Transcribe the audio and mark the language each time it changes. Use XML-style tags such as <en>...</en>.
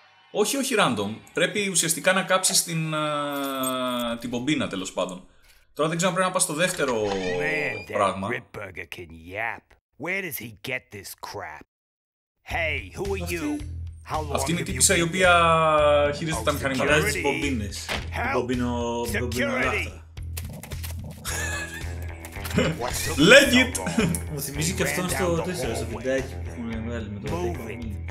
<el>Όχι, όχι random. Πρέπει ουσιαστικά να κάψεις την... την μπομπίνα, τέλος πάντων. Τώρα δεν ξέρω αν πρέπει να πας στο δεύτερο πράγμα.</el> <en>Ripburger can yap. Where does he get this crap? Hey, who are you?</en> <el>Αυτή είναι η τύπισσα η οποία χειρίζεται τα μηχανήματα. Χειράζει τις μπομπίνες. Μπομπίνο... μπομπινολάχτα. Λέγει! Μου θυμίζει και αυτόν στο 4, στο βιντεάκι που μου έβγαλε με το βιντεάκι.</el>